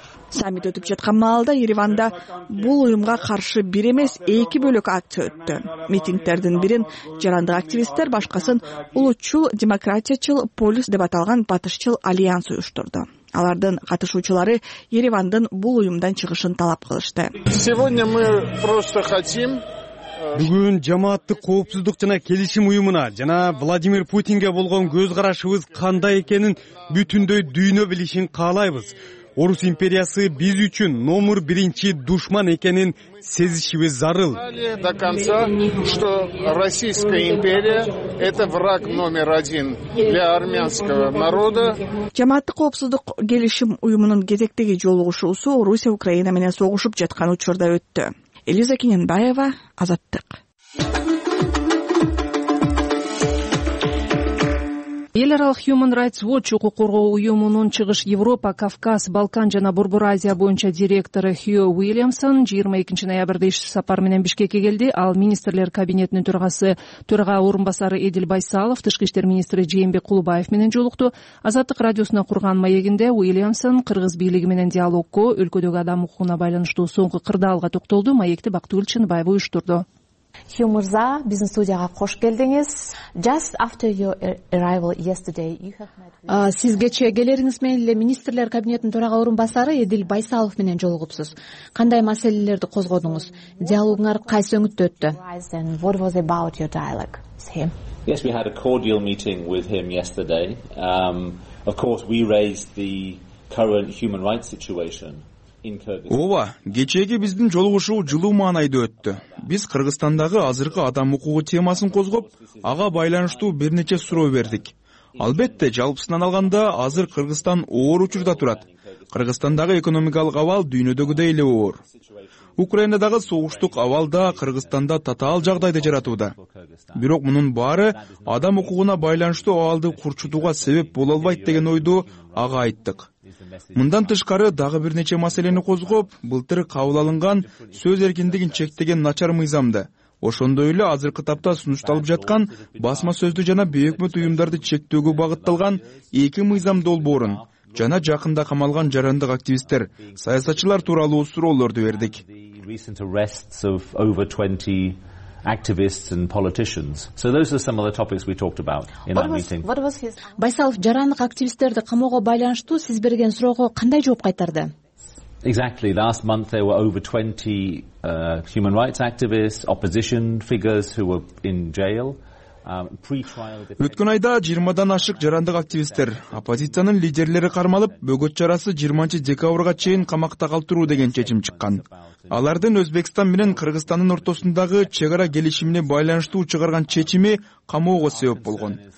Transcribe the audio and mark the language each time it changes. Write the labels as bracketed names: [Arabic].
[Kyrgyz] Саммит өтүп жаткан маалда Ереванда бул уюмга каршы бир эмес эки бөлөк акция өттү. Митингтердин бирин жарандык активисттер, башкасын улутчул демократиячыл полюс деп аталган батышчыл альянс уюштурду. Алардын катышуучулары Еревандын бул уюмдан чыгышын талап кылышты. [Russian] Сегодня мы просто хотим. [Kyrgyz] Бүгүн жамааттык коопсуздук жана келишим уюмуна жана Владимир Путинге болгон көз карашыбыз кандай экенин бүтүндөй дүйнө билишин каалайбыз. Орус империясы биз үчүн номер биринчи душман экенин сезишибиз зарыл. [Russian] До конца, что Российская империя это враг номер один для армянского народа. [Kyrgyz] Жамааттык коопсуздук келишим уюмунун кезектеги жолугушуусу Орусия Украина менен согушуп жаткан учурда өттү. Элиза Кененбаева, Азаттык. Эл аралык Human Rights Watch укук коргоо уюмунун чыгыш Европа, Кавказ, Балкан жана Борбор Азия боюнча директору Хью Уильямсон 22 ноябрда иш сапар менен Бишкекке келди. Ал министрлер кабинетинин төрагасы, төрага орун басары Эдил Байсалов, тышкы иштер министри Жээнбек Кулубаев менен жолукту. Азаттык радиосуна курган маегинде Уильямсон кыргыз бийлиги менен диалогко, өлкөдөгү адам укугуна байланыштуу соңку кырдаалга токтолду. Маекти Бактыгүл Чынбаева уюштурду. Хью Мырза, биздин студияга кош келдиңиз. [English] Just after your arrival yesterday, you have met with... [Kyrgyz] Сиз кечээ келериңиз менен эле министрлер кабинетинин төрага орун басары Эдил Байсалов менен жолугупсуз. Кандай маселелерди козгодуңуз? Диалогуңар кайсы өңүттө өттү? [English] What was about your dialogue with him? Yes, we had a cordial meeting with him yesterday. Of course, we raised the current human rights situation. [Kyrgyz] Ооба, кечээки биздин жолугушуу жылуу маанайда өттү. Биз Кыргызстандагы азыркы адам укугу темасын козгоп, ага байланыштуу бир нече суроо бердик. Албетте, жалпысынан алганда, азыр Кыргызстан оор учурда турат. Кыргызстандагы экономикалык абал дүйнөдөгүдөй эле оор. Украинадагы согуштук абал да Кыргызстанда татаал жагдайды жаратууда. Бирок мунун баары адам укугуна байланыштуу абалды курчутууга себеп боло албайт деген ойду ага айттык. Мындан тышкары дагы бир нече маселени козгоп, былтыр кабыл алынган сөз эркиндигин чектеген начар мыйзамды, ошондой эле азыркы тапта сунушталып жаткан басма сөздү жана бейөкмөт уюмдарды чектөөгө багытталган эки мыйзам долбоорун жана жакында камалган жарандык активисттер, саясатчылар тууралуу суроолорду бердик. [English] Activists and politicians. So those are some of the topics we talked about in that meeting. [Kyrgyz] Байсалов жарандык активисттерди камоого байланыштуу сиз берген суроого кандай жооп кайтарды? [English] Exactly. Last month there were over 20 human rights activists, opposition figures who were in jail. [Kyrgyz] Өткөн айда 20 ашык жарандык активисттер, оппозициянын лидерлери кармалып, бөгөт чарасы 20 декабрга чейин камакта калтыруу деген чечим чыккан. Алардын Өзбекстан менен Кыргызстандын ортосундагы чек ара келишимине байланыштуу чыгарган чечими камоого себеп болгон.